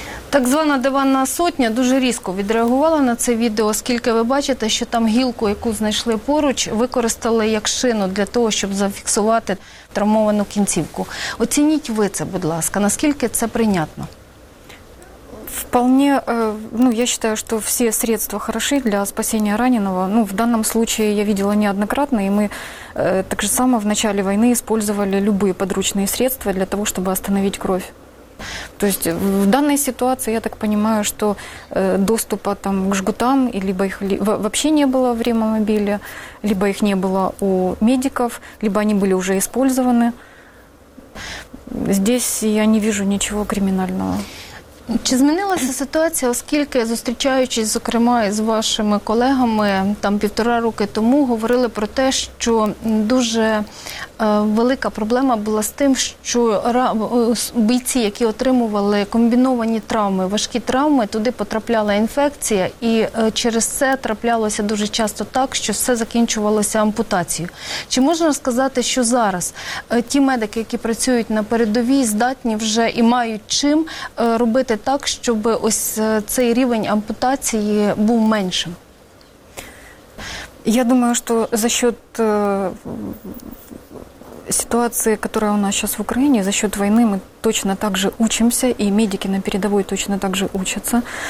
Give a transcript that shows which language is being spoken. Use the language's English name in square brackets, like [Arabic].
[Ukrainian] Так звана диванна сотня дуже різко відреагувала на це відео, оскільки ви бачите, що там гілку, яку знайшли поруч, використали як шину для того, щоб зафіксувати травмовану кінцівку. Оцініть ви це, будь ласка, наскільки це прийнятно? [Russian] Вполне, ну, я считаю, что все средства хороши для спасения раненого. Ну, в данном случае я видела неоднократно, и мы так же само в начале войны использовали любые подручные средства для того, чтобы остановить кровь. То есть в данной ситуации, я так понимаю, что доступа там, к жгутам, либо их вообще не было в реанимобиле, либо их не было у медиков, либо они были уже использованы. Здесь я не вижу ничего криминального. [Ukrainian] Чи змінилася ситуація, оскільки, зустрічаючись, зокрема, з вашими колегами там півтора роки тому, говорили про те, що дуже велика проблема була з тим, що бійці, які отримували комбіновані травми, важкі травми, туди потрапляла інфекція, і через це траплялося дуже часто так, що все закінчувалося ампутацією. Чи можна сказати, що зараз ті медики, які працюють на передовій, здатні вже і мають чим робити так, щоб ось цей рівень ампутації був меншим? [Russian] Я думаю, [Ukrainian] що [Russian] за счет ситуации, которая у нас сейчас в Украине, за счет войны мы точно так же учимся, и медики на передовой точно так же учатся.